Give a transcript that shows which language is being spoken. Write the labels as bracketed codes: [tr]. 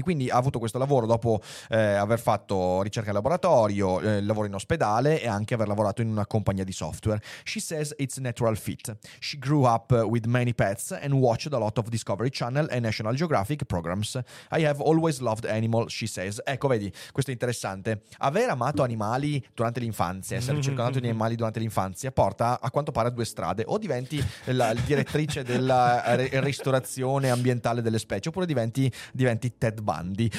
[it] Quindi ha avuto questo lavoro dopo aver fatto ricerca in laboratorio, lavoro in ospedale e anche aver lavorato in una compagnia di software. [en] She says it's a natural fit. She grew up with many pets and watched a lot of Discovery Channel and National Geographic programs. I have always loved animals, she says. [it] Ecco, vedi, questo è interessante. Aver amato animali durante l'infanzia, essere circondato di animali durante l'infanzia, porta a quanto pare, due strade: o diventi la direttrice della ristorazione ambientale delle specie, oppure diventi Ted Bundy.